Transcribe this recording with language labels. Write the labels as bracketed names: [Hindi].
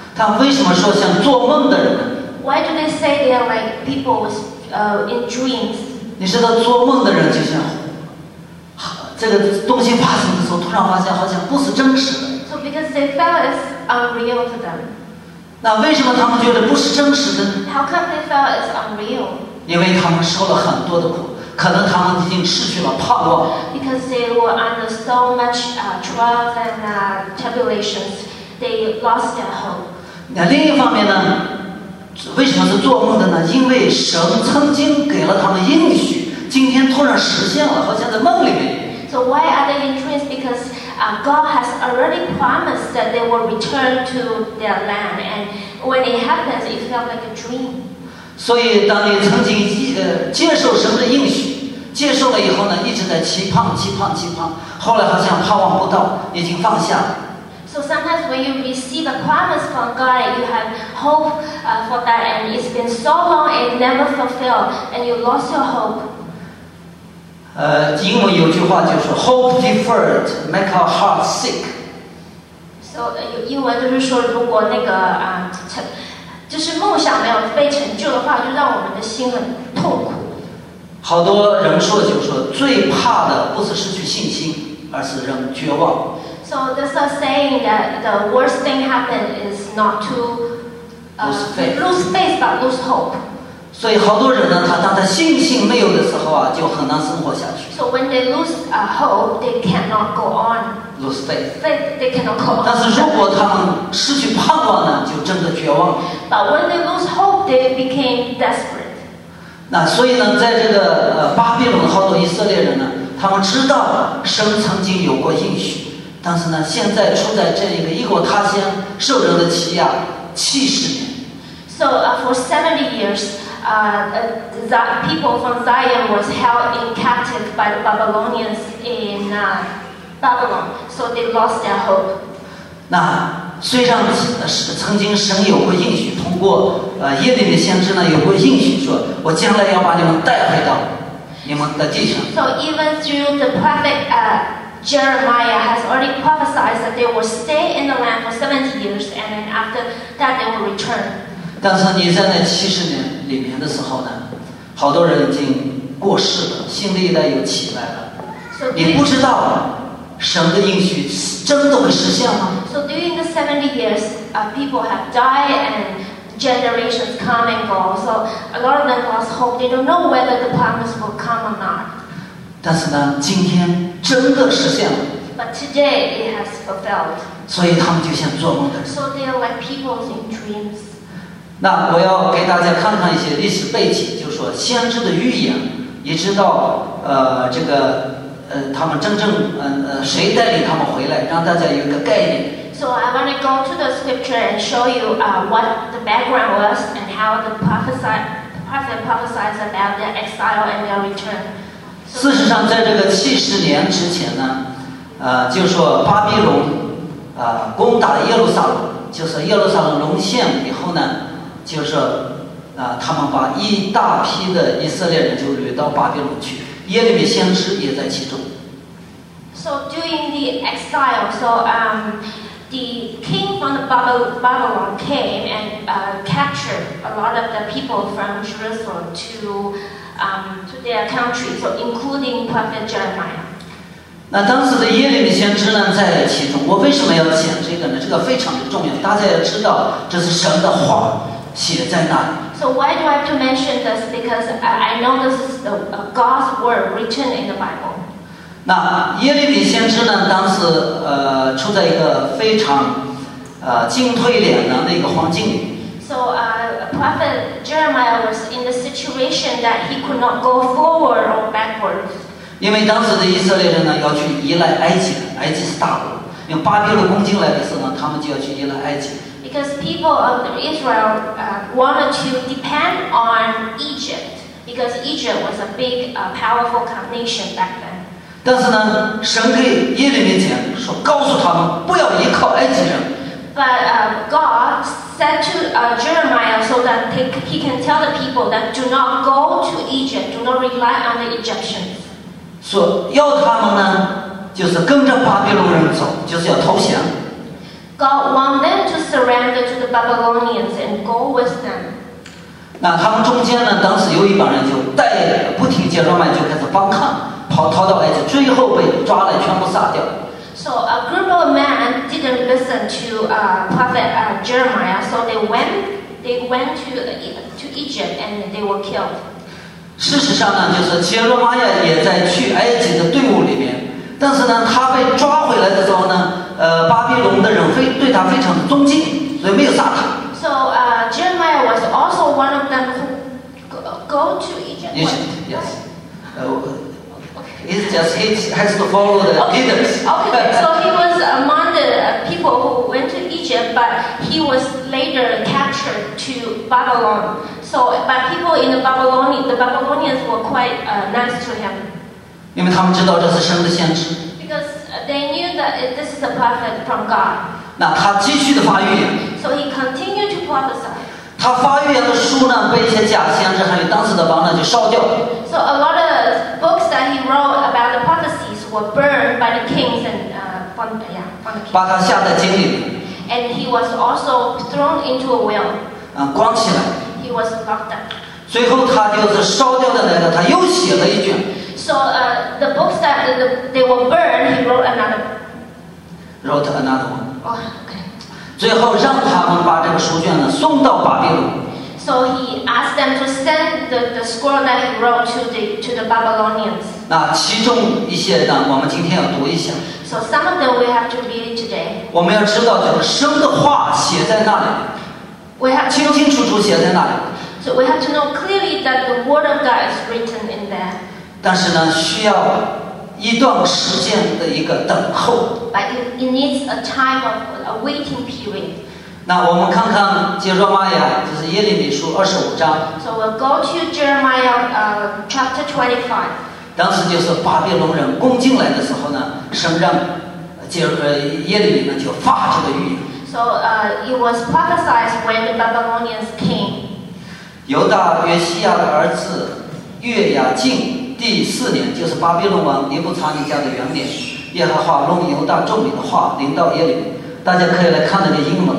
[Chinese] 他为什么说像做梦的人？ [English] Why do they say they are like people in dreams? [Chinese] 你知道做梦的人就像这个东西发生的时候，突然发现好像不是真实的。 [English] So because they felt it's unreal to them. [Chinese] 那为什么他们觉得不是真实的？ [English] How come they felt it's unreal? [Chinese] 因为他们受了很多的苦，可能他们已经失去了盼望。 [English] Because they were under so much trials and tribulations, they lost their hope. [Chinese] 那另一方面呢？为什么是做梦的呢？因为神曾经给了他们应许，今天突然实现了，好像在梦里面。 [English] So why are they in dreams? Because God has already promised that they will return to their land, and when it happens, it felt like a dream. [Chinese] 所以当你曾经接受神的应许，接受了以后呢，一直在期盼、期盼、期盼，后来好像盼望不到，已经放下了。 [English] So sometimes when you receive a promise from God, you have hope for that, and it's been so long, it never fulfilled, and you lost your hope. [Chinese] 英文有句话就是 [English] hope deferred make our heart sick. [Chinese] So 英文就是说，如果那个就是梦想没有被成就的话，就让我们的心很痛苦。好多人说就是说，最怕的不是失去信心，而是让人绝望。 [English] So there's a saying that the worst thing happened is not to lose faith, but lose hope. [Chinese] 所以好多人呢，他当他信心没有的时候啊，就很难生活下去。 [English] So when they lose a hope, they cannot go on. Lose faith. Faith, they cannot go on. [Chinese] 但是如果他们失去盼望呢，就真的绝望。 [English] But when they lose hope, they became desperate. [Chinese] 那所以呢，在这个巴比伦，好多以色列人呢，他们知道神曾经有过应许，但是呢，现在处在这一个异国他乡，受人的欺压70年。 [English] So for 70 years. The people from Zion was held in captive by the Babylonians in Babylon, so they lost their hope. [Chinese] 那虽然曾经神有过应许，通过耶利米先知呢有过应许说，我将来要把你们带回到你们的地上。 [English] So even through the prophet Jeremiah has already prophesied that they will stay in the land for 70 years, and then after that they will return. [Chinese] 但是你在那七十年里面的时候呢，好多人已经过世了，新的一代又起来了。你不知道神的应许真的会实现吗 [English] ？So during the 70 years, people have died and generations come and go. So a lot of them lost hope. They don't know whether the promise will come or not. [Chinese] 但是呢，今天真的实现了。 [English] But today it has fulfilled. [Chinese] 所以他们就像做梦的人。 [English] So they are like people in dreams. [Chinese] 那我要给大家看看一些历史背景，就是说先知的预言，一直到这个他们真正谁带领他们回来，让大家有一个概念。 [English] So I want to go to the scripture and show you what the background was and how the prophet prophesies about their exile and their return. [Chinese] 事实上，在这个七十年之前呢，就是说巴比伦攻打耶路撒冷，就是耶路撒冷沦陷以后呢。就是他们把一大批的以色列人就掳到巴比伦去，耶利米先知也在其中。 [English] So during the exile, the king from the Babylon came and captured a lot of the people from Jerusalem to their country, so including Prophet Jeremiah. [Chinese] 那当时的耶利米先知呢在其中，我为什么要讲这个呢？这个非常重要，大家要知道这是神的话。写在那里。 [English] So why do I have to mention this? Because I know this is the God's word written in the Bible. [Chinese] 那耶利米先知呢？当时处在一个非常进退两难的一个环境里。 [English] So Prophet Jeremiah was in the situation that he could not go forward or backward. [Chinese] 因为当时的以色列人呢，要去依赖埃及，埃及是大国。因为巴比伦攻进来的时候呢，他们就要去依赖埃及。 [English] Because people of Israel wanted to depend on Egypt, because Egypt was a big, powerful nation back then. [Chinese] 但是呢，神在耶利面前说，告诉他们不要依靠埃及人。 [English] But God said to Jeremiah so that he can tell the people that do not go to Egypt, do not rely on the Egyptians. [Chinese] 说要他们呢，就是跟着巴比伦人走，就是要投降。 [English] God want them to surrender to the Babylonians and go with them. [Chinese] 那他们中间呢，当时有一帮人就带不听耶利米，就开始帮抗。逃到埃及，最后被抓来全部杀掉。 [English] So a group of men didn't listen to prophet Jeremiah, so they went to Egypt and they were killed. [Chinese] 事实上呢，就是耶利米也在去埃及的队伍里面，但是呢，他被抓回来的时候呢，巴比伦的人对他非常的尊敬，所以没有杀他。 [English] So Jeremiah was also one of them who go to Egypt. Yes. It's just he has to follow the leaders. Okay. So he was among the people who went to Egypt, but he was later captured to Babylon. So, but people in the Babylonians were quite nice to him. [Chinese] 因为他们知道这是神的先知。 [English] Because they knew that this is a prophet from God. [Chinese] 那他继续的发预言。 [English] So he continued to prophesy. [Chinese] 他发预言的书呢，被一些假先知还有当时的王呢就烧掉。 [English] So a lot of books that he wrote about the prophecies were burned by the kings and from the kings. [Chinese] 把他下在井里。 [English] And he was also thrown into a well. [Chinese] 关起来。 [English] He was locked up. [Chinese] 最后他就是烧掉的那个，他又写了一卷。 [English] So the books that they were burned, he wrote another. Wrote another one. Oh, okay. [Chinese] 最后让他们把这个书卷呢送到巴比伦。 [English] So he asked them to send the scroll that he wrote to the Babylonians. [Chinese] 那其中一些呢，我们今天要读一下。 [English] So some of them we have to read today. [Chinese] 我们要知道，就是神的话写在那里。 [English] We have [Chinese] 清清楚楚写在那里。 [English] So we have to know clearly that the word of God is written in there. [Chinese] 但是呢，需要一段时间的一个等候。 [English] But it needs a time of a waiting period. [Chinese] 那我们看看耶利米呀，就是耶利米书二十五章。 [English] So we'll go to Jeremiah, chapter 25. [Chinese] 当时就是巴比伦人攻进来的时候呢，神让耶利米呢就发这个预言。 [English] So it was prophesied when the Babylonians came. [Chinese] 犹大约西亚的儿子约雅敬。第四年，就是巴比伦王尼布查尼家的元年，耶和华用犹大众民的话临到耶利米。大家可以来看那个英文。